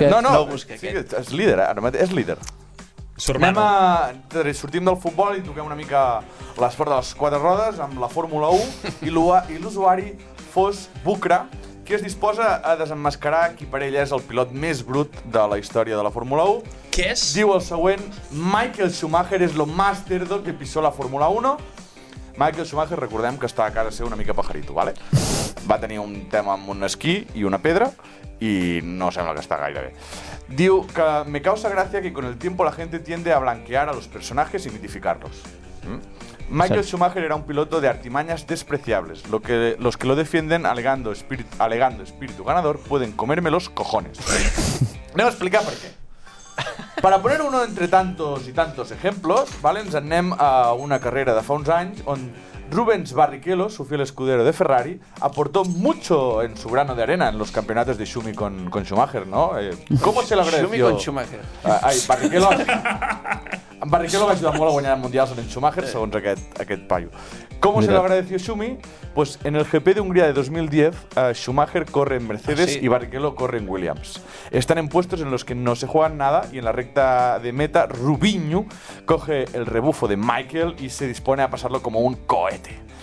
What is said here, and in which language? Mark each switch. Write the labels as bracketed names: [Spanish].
[Catalan] No, no, és líder, ara mateix, és líder. Sortim del futbol i toquem una mica l'esport de les quatre rodes amb la Fórmula 1 i l'usuari Fos Bucra, que es disposa a desenmascarar qui per ell és el pilot més brut de la història de la Fórmula 1. Què és? Diu el següent: [Spanish] Michael Schumacher és lo más cerdo que pisó la Fórmula 1. [Catalan] Michael Schumacher, recordem que està a casa seu una mica pajarito, ¿vale? Va tenir un tema amb un esquí i una pedra i no sembla que està gaire bé. Diu que [Spanish] me causa gracia que con el tiempo la gente tiende a blanquear a los personajes y mitificarlos. Michael Schumacher era un piloto de artimañas despreciables. Los que lo defienden alegando espíritu ganador pueden comerme los cojones. [Catalan] Anem a explicar [Spanish] por qué. Para poner uno entre tantos y tantos ejemplos, ¿vale? [Catalan] Ens anem a una carrera de fa uns anys [Spanish] on Rubens Barrichello, su fiel escudero de Ferrari, aportó mucho en su grano de arena en los campeonatos de Schumi con Schumacher, ¿no? ¿Cómo se lo agradeció? Schumi con Schumacher. Barrichello. [Catalan] Barrichello va ayudar molt a guanyar mundials en Schumacher, segons aquest paio. [Spanish] ¿Cómo se lo agradeció Schumi? Pues en el GP de Hungría de 2010, Schumacher corre en Mercedes y Barrichello corre en Williams. Están en puestos en los que no se juegan nada y en la recta de meta, Rubinho coge el rebufo de Michael y se dispone a pasarlo como un cohete.